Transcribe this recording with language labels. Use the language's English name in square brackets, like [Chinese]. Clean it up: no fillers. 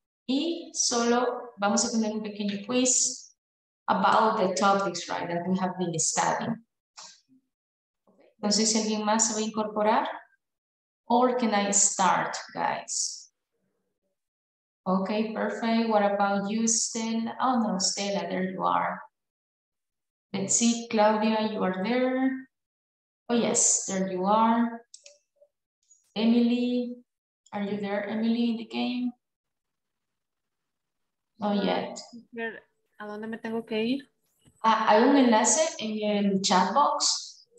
[English] Y solo vamos a poner un pequeño quiz about the topics, right, that we have been studying. [Spanish] No sé si alguien más se va a incorporar. [English] Or can I start, guys? Okay, perfect. What about you, Stella? Oh, no, Stella, there you are. Let's see, Claudia, you are there. Oh, yes, there you are. Emily, are you there, Emily, in the game? Not yet. [Spanish] ¿A dónde me tengo que ir? Ah, hay un enlace en el chat box.